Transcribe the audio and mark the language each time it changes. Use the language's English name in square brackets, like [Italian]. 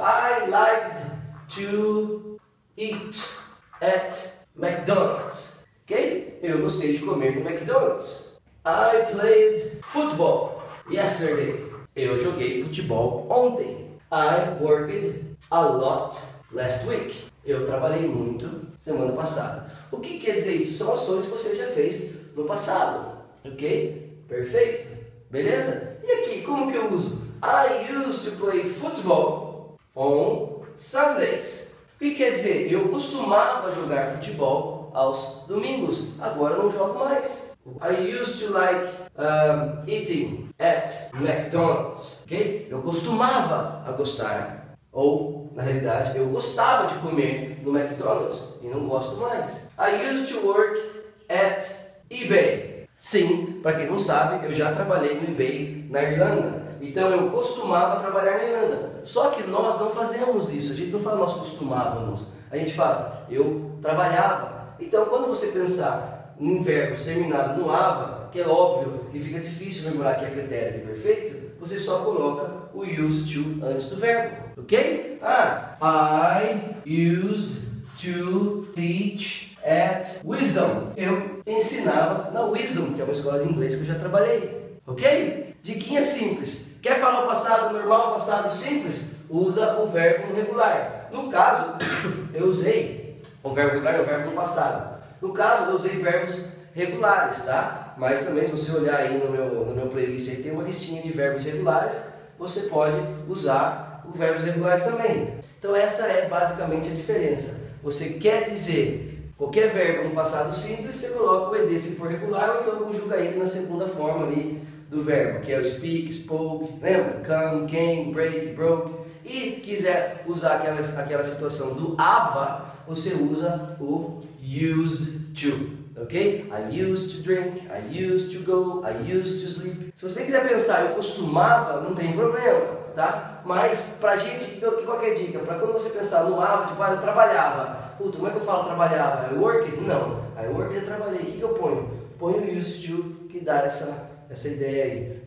[English] I liked to eat at McDonald's. Ok? [Portuguese] Eu gostei de comer no McDonald's. [English] I played football yesterday. [Portuguese] Eu joguei futebol ontem. [English] I worked a lot last week. [Portuguese] Eu trabalhei muito semana passada. O que quer dizer isso? São ações que você já fez no passado. [English] Ok? [Portuguese] Perfeito. Beleza? E aqui, como que eu uso? [English] I used to play football on Sundays. [Portuguese] O que quer dizer? Eu costumava jogar futebol aos domingos. Agora não jogo mais. [English] I used to like eating at McDonald's, ok? [Portuguese] Eu costumava a gostar, ou na realidade eu gostava de comer no McDonald's e não gosto mais. [English] I used to work at eBay. [Portuguese] Sim, para quem não sabe, eu já trabalhei no eBay na Irlanda. Então eu costumava trabalhar na Irlanda. Só que nós não fazemos isso, a gente não fala nós costumávamos. A gente fala eu trabalhava. Então quando você pensar num verbo terminado no ava, que é óbvio que fica difícil lembrar que é pretérito imperfeito, você só coloca o used to antes do verbo, ok? [English] Ah, I used to teach at Wisdom. [Portuguese] Eu ensinava na Wisdom, que é uma escola de inglês que eu já trabalhei, ok? Diquinha simples. Quer falar o passado normal, passado simples? Usa o verbo no regular. No caso, eu usei o verbo regular e o verbo no passado. No caso, eu usei verbos regulares, tá? Mas também, se você olhar aí no meu playlist, aí tem uma listinha de verbos regulares, você pode usar os verbos regulares também. Então, essa é basicamente a diferença. Você quer dizer qualquer verbo no passado simples, você coloca o ED se for regular, ou então conjuga ele na segunda forma ali do verbo, que é o speak, spoke, lembra? Come, came, break, broke. E quiser usar aquela situação do AVA, você usa o used to, ok? [English] I used to drink, I used to go, I used to sleep. [Portuguese] Se você quiser pensar, eu costumava, não tem problema, tá? Mas pra gente, qual que é a dica? Pra quando você pensar no AVA, tipo, ah, eu trabalhava. Puta, como é que eu falo trabalhava? [English] I worked? [Portuguese] Não. [English] I worked, [Portuguese] eu trabalhei. O que eu ponho? Põe o used to, que dá essa ideia aí.